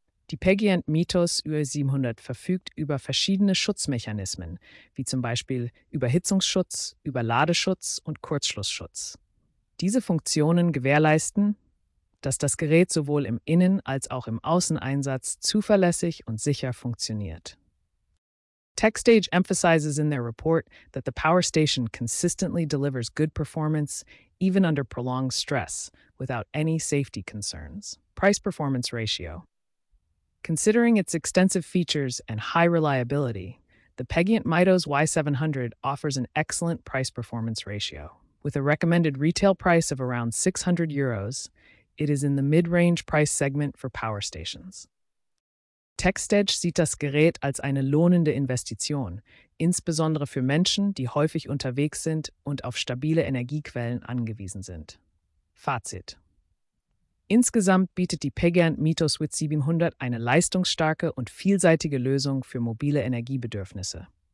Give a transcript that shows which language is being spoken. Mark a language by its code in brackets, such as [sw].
[de] Die Pagiant Mythos Y700 verfügt über verschiedene Schutzmechanismen, wie zum Beispiel Überhitzungsschutz, Überladeschutz und Kurzschlussschutz. Diese Funktionen gewährleisten, dass das Gerät sowohl im Innen- als auch im Außeneinsatz zuverlässig und sicher funktioniert. [en] TechStage emphasizes in their report that the Powerstation consistently delivers good performance even under prolonged stress without any safety concerns. Price-Performance Ratio. Considering its extensive features and high reliability, the Pagiant Mythos Y700 offers an excellent price-performance ratio. With a recommended retail price of around 600 euros, it is in the mid-range price segment for power stations. [de] TechStage sieht das Gerät als eine lohnende Investition, insbesondere für Menschen, die häufig unterwegs sind und auf stabile Energiequellen angewiesen sind. Fazit. Insgesamt bietet die Pagiant Mythos Y700 eine leistungsstarke und vielseitige Lösung für mobile Energiebedürfnisse.